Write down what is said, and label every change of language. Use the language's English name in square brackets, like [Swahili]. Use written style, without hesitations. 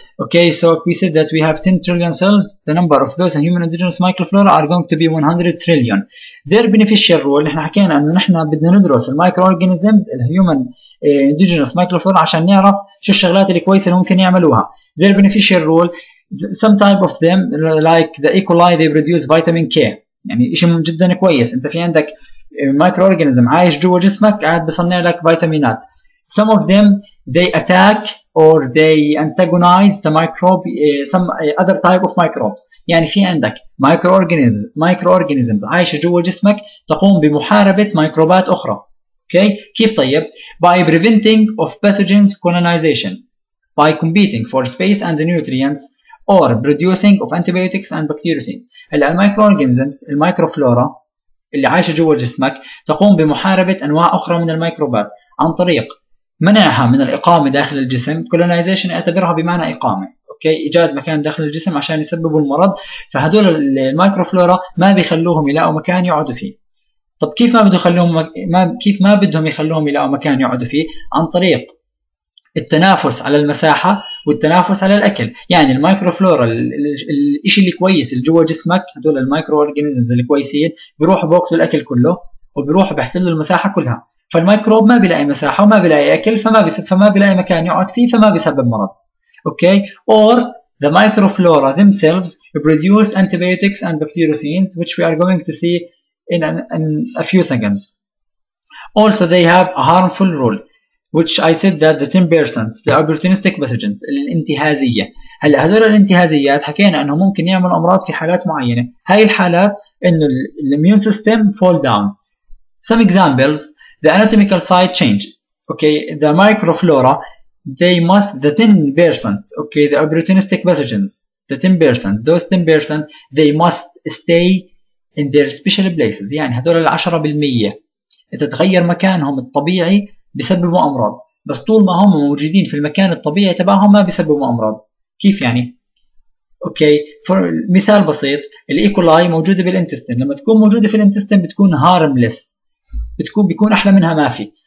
[English] Okay, so if we said that we have 10 trillion cells, the number of those in human indigenous microflora are going to be 100 trillion. Their beneficial role, [Arabic] نحن حكينا أنه نحن بدنا ندرس الميكروورجانيزمز الهيومن indigenous microflora عشان نعرف شو الشغلات الكويسة اللي ممكن يعملوها. [English] Their beneficial role, some type of them like the E. coli, they produce vitamin K. [Arabic] يعني إشي جدا كويس. أنت في عندك microorganism عايش جوا جسمك قاعد بصنع لك فيتامينات. [English] Some of them they attack or they antagonize the microbe, some other type of microbes. [Arabic] يعني في عندك microorganisms عايشة جوا جسمك تقوم بمحاربة ميكروبات أخرى. [English] Okay, [Arabic] كيف طيب؟ [English] By preventing of pathogens colonization, by competing for space and nutrients, or producing of antibiotics and bacteriocins. [Arabic] هلا الميكروorganisms الميكروفلورا اللي عايشة جوا جسمك تقوم بمحاربة أنواع أخرى من الميكروبات عن طريق منعها من الإقامة داخل الجسم. colonization أعتبرها بمعنى إقامة. أوكي، إيجاد مكان داخل الجسم عشان يسببوا المرض. فهدول الميكروفلورا ما بيخلوهم يلاقوا مكان يقعدوا فيه. طب كيف ما بده يخلوهم ما بدهم يخلوهم يلاقوا مكان يقعدوا فيه؟ عن طريق التنافس على المساحة والتنافس على الأكل. يعني الميكروفلورا الإشي اللي كويس اللي جوا جسمك، هدول الميكروورجانيزمز اللي كويسين، بيروحوا بياكلوا الأكل كله وبيروحوا بيحتلوا المساحة كلها. فالميكروب ما بيلاقي مساحة وما بيلاقي أكل، فما بيلاقي مكان يقعد فيه، فما بيسبب مرض. [English] Okay? Or the microflora themselves produce antibiotics and bacteriocins, which we are going to see in a few seconds. Also they have a harmful role, which I said that the 10%, the opportunistic pathogens, الانتهازية. [Arabic] هلا هذول الانتهازيات حكينا انه ممكن يعمل امراض في حالات معينة. هاي الحالات انه الاميون سيستم [English] fall down. Some examples, the anatomical site change. Okay, the microflora, they must, the 10%, okay, the opportunistic pathogens, the 10%, those 10%, they must stay in their special places. [Arabic] يعني هذول 10% تتغير مكانهم الطبيعي بيسببوا أمراض، بس طول ما هم موجودين في المكان الطبيعي تبعهم ما بيسببوا أمراض. كيف يعني؟ أوكي، مثال بسيط، الإيكولاي موجودة بالإنتستين. لما تكون موجودة في الإنتستين بتكون هارملس، بيكون أحلى منها ما في.